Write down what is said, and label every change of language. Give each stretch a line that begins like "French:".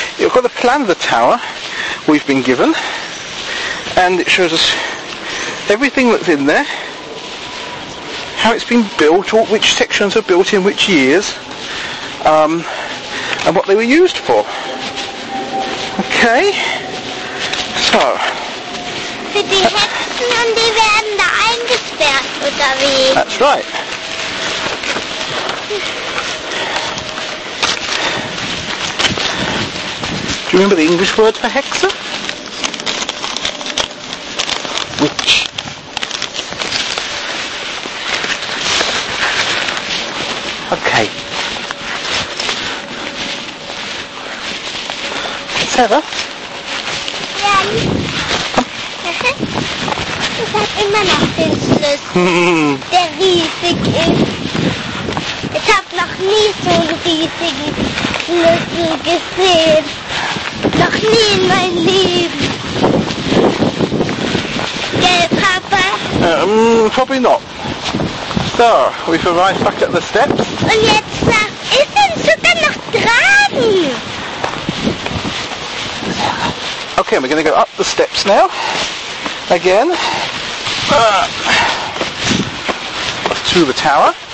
English: You've got the plan of the tower we've been given, and it shows us everything that's in there, how it's been built, or which sections are built in which years, and what they were used for. Okay, so.
German: Für die Hexen, und die werden da eingesperrt, oder wie?
English: That's right. Do you remember the English word for hexer? Witch. Okay. Sarah?
German: Jan? Huh? Ich hab immer noch den Schluss. Der riesig ist. Ich hab noch nie so einen riesigen Schlüssel gesehen. Noch nie in mein Leben. Gell, Papa?
English: Probably not. So, we've arrived back at the steps.
German: Und jetzt sag, ist denn sogar noch dran?
English: Okay, we're going to go up the steps now. Again. To the tower.